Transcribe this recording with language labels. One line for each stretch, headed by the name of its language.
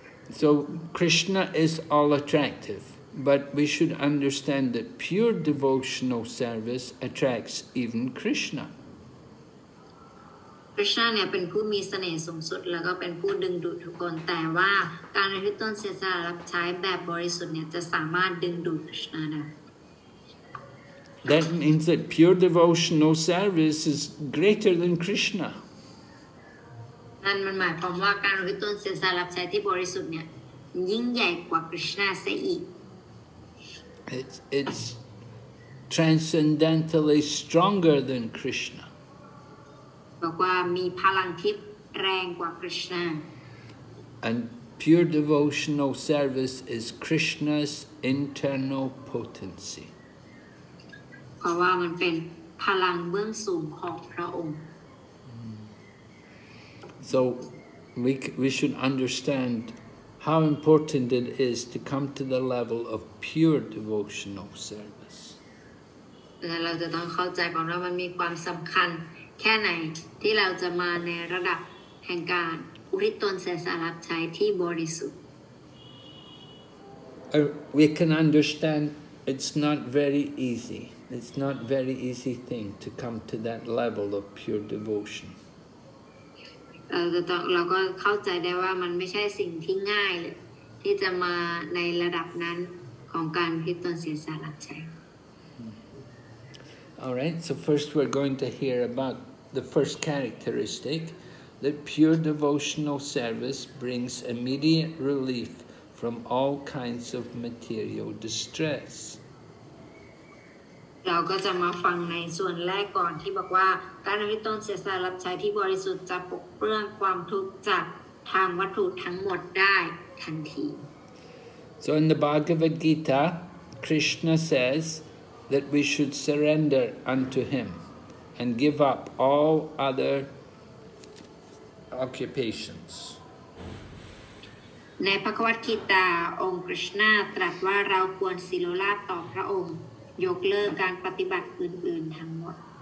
English: So Krishna is all attractive, but we should understand that pure devotional service attracts even Krishna.
Thai: Krishna เนี่ย เป็น ผู้ มี เสน่ห์ สูง สุด แล้ว ก็ เป็น ผู้ ดึง ดูด ทุก คน แต่ ว่า การ ให้ ต้น เสียสละ รับ ใช้ แบบ บริสุทธิ์ เนี่ย จะ สามารถ ดึง ดูด Krishna ได้
English: That means that pure devotional service is greater than Krishna.
Thai: นั่น มัน หมาย ความ ว่า การ ให้ ต้น เสียสละ รับ ใช้ ที่ บริสุทธิ์ เนี่ย ยิ่ง ใหญ่ กว่า Krishna เสีย อีก
English: It's transcendentally stronger than Krishna.
Thai: บอกว่ามีพลังที่แรงกว่าคริสต์นา
English: and pure devotional service is Krishna's internal potency
Thai: เพราะว่ามันเป็นพลังเบื้องสูงของพระองค์
English: so we should understand how important it is to come to the level of pure devotional service
Thai: และเราจะต้องเข้าใจก่อนว่ามันมีความสำคัญแค่ไหนที่เราจะมาในระดับแห่งการอุทิศตนเสียสละรับใช้ที่บริสุทธิ์
English: We can understand it's not very easy. It's not very easy thing to come to that level of pure devotion.
Thai: เราก็เข้าใจได้ว่ามันไม่ใช่สิ่งที่ง่ายเลยที่จะมาในระดับนั้นของการอุทิศตนเสียสละรับใช้
English: All right, so first we're going to hear about the first characteristic, that pure devotional service brings immediate relief from all kinds of material distress.
Thai: เราก็จะมาฟังในส่วนแรกก่อนที่บอกว่าการอุทิศตนเสียสละรับใช้ที่บริสุทธิ์จะปกเปลื้องความทุกข์จากทางวัตถุทั้งหมดได้ทันที
English: So in the Bhagavad Gita, Krishna says,that we should surrender unto him and give up all other occupations.
Thai: ในพระวัตรกีตาองค์คริสต์นาตรัสว่าเราควรศิโลราชต่อพระองค์ยกเลิกการปฏิบัติอื่นๆทั้งหมด